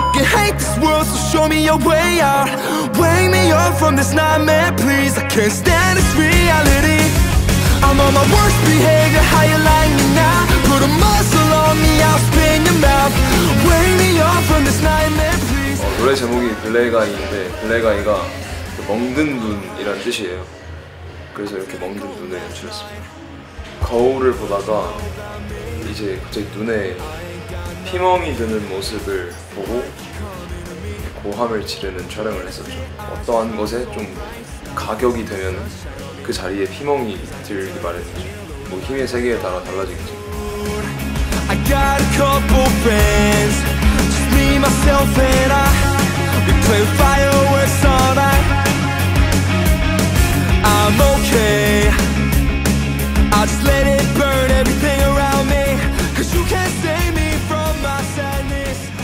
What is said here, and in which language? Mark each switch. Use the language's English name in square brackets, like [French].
[English] I hate this world, so show me your way out. Wake me up from this nightmare, please. I can't stand this reality. I'm on my worst behavior, how you like me now? Put a muzzle on me, I'll spin your mouth. Wake me up from this nightmare, please. [Korean] 노래 제목이 Black Eye인데, Black Eye가 멍든 눈이라는 뜻이에요. 그래서 이렇게 멍든 눈을 연출했습니다. 거울을 보다가 이제 갑자기 눈에 피멍이 드는 모습을 보고 고함을 지르는 촬영을 했었죠. 어떠한 것에 좀 가격이 되면 그 자리에 피멍이 들기 마련이죠. 뭐 힘의 세계에 따라 달라지겠죠. [English] I got a couple friends, just me, myself and I. We play fireworks all night. I'm okay. I just let it burn everything around me. Cause you can't save me from my sadness.